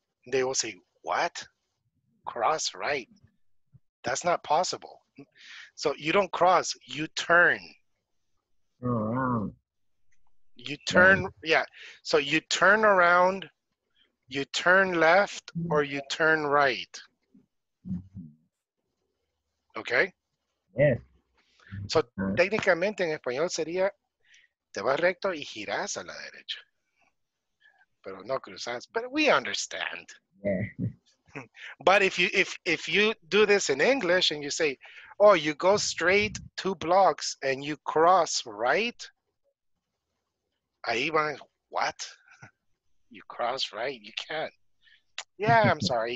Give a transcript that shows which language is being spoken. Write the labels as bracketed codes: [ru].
[en] They will say, what? Cross right? That's not possible. So you don't cross, you turn. You turn, so you turn around, you turn left, or you turn right. Okay? Yes. [es] So, técnicamente en español sería, te vas recto y giras a la derecha. Pero no cruzas, but we understand. [en] Yeah. But if you do this in English and you say, oh, you go straight 2 blocks and you cross right, ahí van, what? You cross right? You can't. Yeah, I'm sorry.